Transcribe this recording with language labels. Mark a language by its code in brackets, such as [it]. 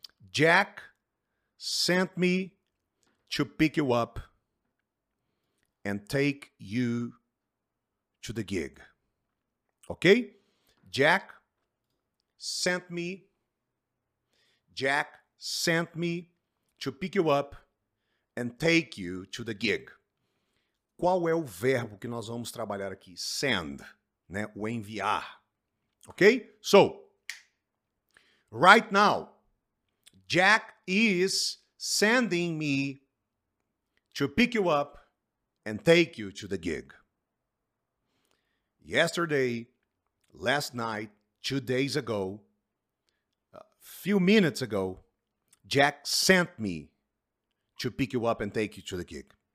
[en] Jack sent me to pick you up and take you to the gig. Ok? Jack sent me to pick you up and take you to the gig. [pt] Qual é o verbo que nós vamos trabalhar aqui? Send, né? O enviar. Ok? [en] So, right now, Jack is sending me to pick you up and take you to the gig. Yesterday, last night, 2 days ago, a few minutes ago, Jack sent me to pick you up and take you to the gig.